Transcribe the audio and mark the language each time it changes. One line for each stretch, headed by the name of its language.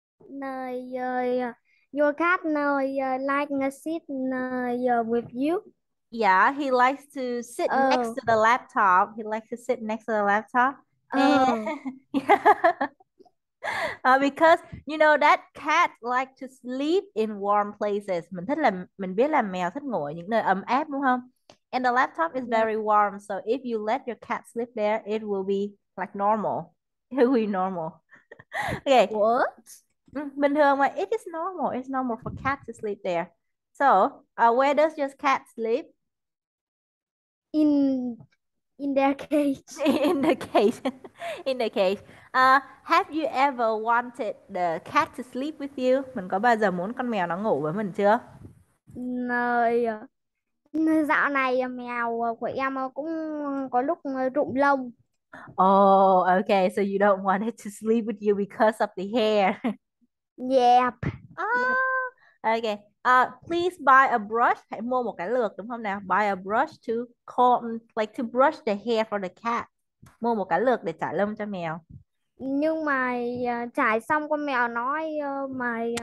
English: No, your cat no like a sit with you. Yeah, he likes to sit next to the laptop. He likes to sit next to Oh. the laptop. And yeah. Because you know that cat like to sleep in warm places.
Vietnamese: Mình biết là mèo thích ngủ ở những nơi ấm áp đúng không?
English: And the laptop is Yeah. very warm, so if you let your cat sleep there, it will be like normal. It will be normal. Okay. What?
Vietnamese: Bình thường mà
English: it is normal. It's normal for cat to sleep there. So, where does your cat sleep? In their cage. In the cage. In the cage. Have you ever wanted the cat to sleep with you?
Vietnamese: Mình có bao giờ muốn con mèo nó ngủ với mình chưa?
English: No.
Vietnamese: Dạo này mèo của em cũng có lúc rụng lông.
English: Oh, okay, so you don't want it to sleep with you because of the hair. Yep. Okay. Please buy a brush.
Vietnamese: Hãy mua một cái lược đúng không nào?
English: Buy a brush to comb, like to brush the hair for the cat.
Vietnamese: Mua một cái lược để chải lông cho mèo. Nhưng mà trải xong con mèo nói mày